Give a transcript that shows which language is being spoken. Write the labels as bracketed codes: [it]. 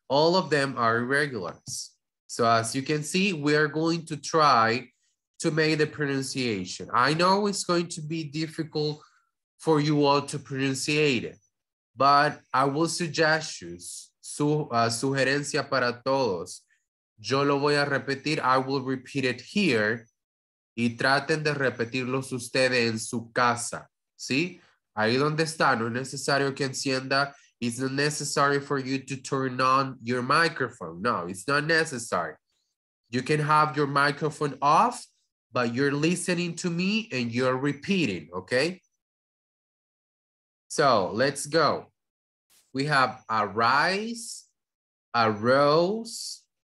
[en] All of them are irregulars. So as you can see, we are going to try to make the pronunciation. I know it's going to be difficult for you all to pronunciate it, but I will suggest you, [es] sugerencia para todos. Yo lo voy a repetir, [en] I will repeat it here. [es] Y traten de repetirlos ustedes en su casa, ¿sí? Ahí donde está, no es necesario que encienda. [en] It's not necessary for you to turn on your microphone. No, it's not necessary. You can have your microphone off, but you're listening to me and you're repeating, okay? So, let's go. We have arise, arose.